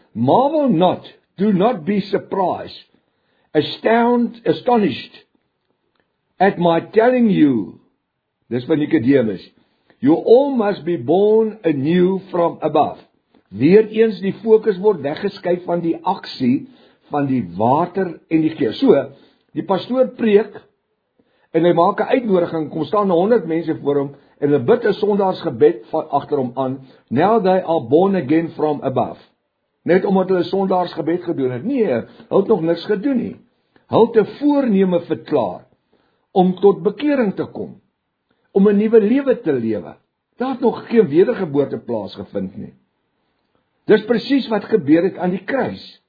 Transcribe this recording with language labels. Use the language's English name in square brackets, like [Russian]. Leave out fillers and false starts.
[English] Marvel not, do not be surprised, astonished at my telling you, [Afrikaans] dis van Nicodemus, [English] you all must be born anew from above. [Afrikaans] Weereens die fokus word weggeskuif van die aksie van die water en die gees. So, die pastoor preek en hy maak 'n uitnodiging, kom staan 100 mense voor hom en hulle bid 'n sondaarsgebed agter hom aan, [English] now they are born again from above. [Afrikaans] Net omdat hulle sondaarsgebed gedoen het. Nee, hulle het nog niks gedoen nie. Hulle het 'n voorneme verklaar om tot bekering te kom, om 'n nuwe lewe te lewe. Daar het nog geen wedergeboorte plaasgevind nie. Dis presies wat gebeur het aan die kruis.